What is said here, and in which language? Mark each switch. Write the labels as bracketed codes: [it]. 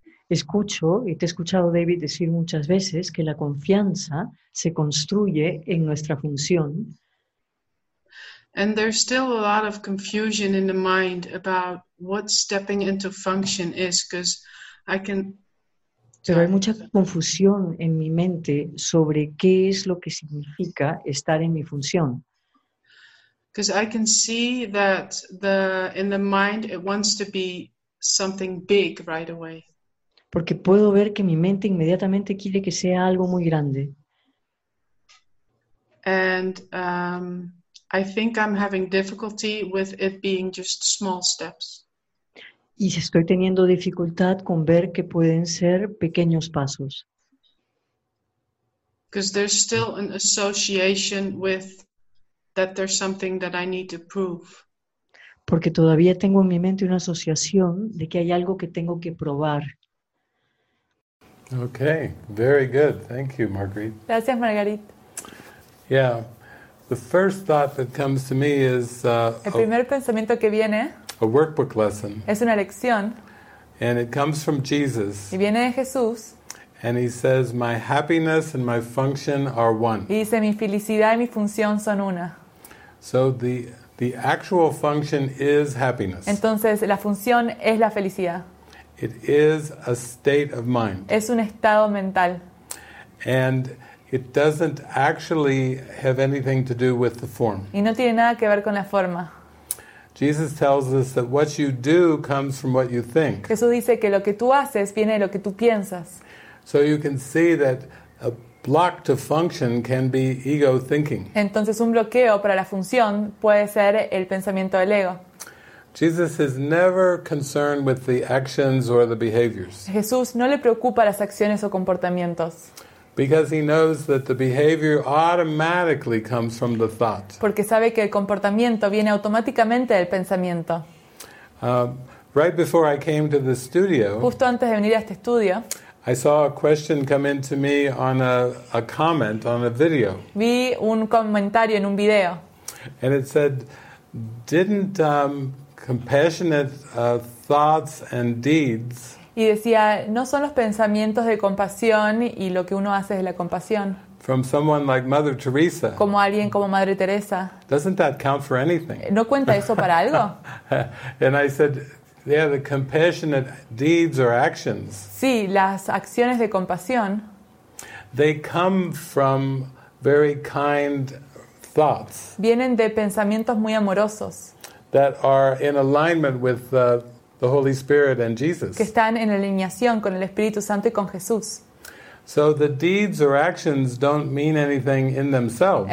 [es] Escucho y te he escuchado, David, decir muchas veces que la confianza se construye en nuestra función. [en] And there's still a lot of confusion in the mind about what stepping into function is, because I can. [es] Pero hay mucha confusión en mi mente sobre qué es lo que significa estar en mi función. [en] Because I can see that the in the mind it wants to be something big right away. [es] Porque puedo ver que mi mente inmediatamente quiere que sea algo muy grande. [en] And I think I'm having difficulty with it being just small steps. [es] Y estoy teniendo dificultad con ver que pueden ser pequeños pasos. [en] Because there's still an association with that there's something that I need to prove. [es] Porque todavía tengo en mi mente una asociación de que hay algo que tengo que probar. [en] Okay, very good. Thank you, Marguerite. [es] Gracias, Marguerite. [en] Yeah, the first thought that comes to me is... [es] El primer pensamiento que viene... [en] A workbook lesson. [es] Es una lección. [en] And it comes from Jesus. [es] Y viene de Jesús. [en] And he says, my happiness and my function are one. [es] Y dice, mi felicidad y mi función son una. [en] So the actual function is happiness. [es] Entonces, la función es la felicidad. [en] It is a state of mind. [es] Es un estado mental. [en] And it doesn't actually have anything to do with the form. [es] Y no tiene nada que ver con la forma. [en] Jesus tells us that what you do comes from what you think. [es] Jesús dice que lo que tú haces viene de lo que tú piensas. [en] So you can see that a block to function can be ego thinking. [es] Entonces un bloqueo para la función puede ser el pensamiento del ego. [en] Jesus is never concerned with the actions or the behaviors. [es] Jesús no le preocupa las acciones o comportamientos. [en] Because he knows that the behavior automatically comes from the thought. [es] Porque sabe que el comportamiento viene automáticamente del pensamiento. [en] Right before I came to the studio, [es] justo antes de venir a este estudio, [en] I saw a question come into me on a comment on a video. [es] Vi un comentario en un video. [en] And it said, "Didn't compassionate thoughts and deeds." [es] Y decía, no son los pensamientos de compasión y lo que uno hace es de la compasión. [en] From someone like Mother Teresa. [es] Como alguien como Madre Teresa. [en] Doesn't that count for anything? [es] ¿No cuenta eso para algo? [en] And I said, yeah, the compassionate deeds or actions. [es] Sí, las acciones de compasión. [en] They come from very kind thoughts. [es] Vienen de pensamientos muy amorosos. [en] That are in alignment with the Holy Spirit and Jesus. [es] Que están en alineación con el Espíritu Santo y con Jesús. [en] So the deeds or actions don't mean anything in themselves.